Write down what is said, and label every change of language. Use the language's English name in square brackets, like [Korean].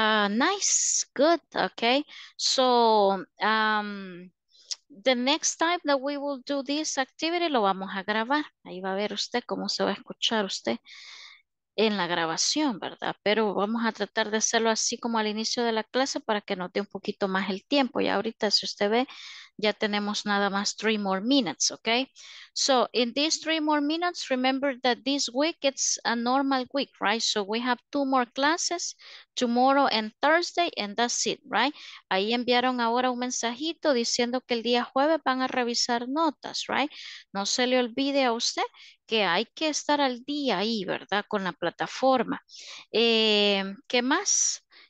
[English] Nice, good, okay. So, the next time that we will do this activity, [Spanish] lo vamos a grabar. Ahí va a ver usted cómo se va a escuchar usted en la grabación, ¿verdad? Pero vamos a tratar de hacerlo así como al inicio de la clase para que nos dé un poquito más el tiempo. Y ahorita, si usted ve, ya tenemos nada más [English] 3 more minutes, [Spanish] ¿ok? [English] So, in these 3 more minutes, remember that this week it's a normal week, right? So, we have 2 more classes, tomorrow and Thursday, and that's it, right? [Spanish] Ahí enviaron ahora un mensajito diciendo que el día jueves van a revisar notas, right? No se le olvide a usted que hay que estar al día ahí, ¿verdad? Con la plataforma. ¿Qué más?